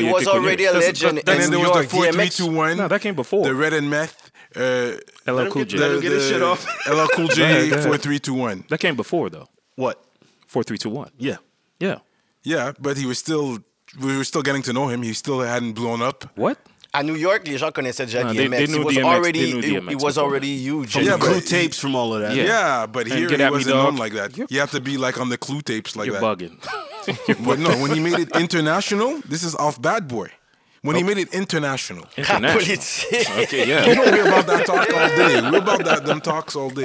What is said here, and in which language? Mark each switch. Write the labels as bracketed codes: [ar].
[fr] y était. [en] But he was already a legend. And then there was the 4321. No, that came before. The Red and Meth. LL Cool J. Let me get this shit off. LL Cool J, 4321. That came before, though. What? 4321. Yeah. Yeah. Yeah, but we were still getting to know him. He still hadn't blown up. What? [fr] À New York, les gens connaissaient déjà DMX. [en] He was already huge. From Clue tapes from all of that. Yeah, but here he wasn't known like that. You have to be like on the Clue tapes like that. You're bugging. But no, when he made it international, this is off Bad Boy. He made it international. Okay, yeah. You don't hear about that talk all day. We're about that, them talks all day.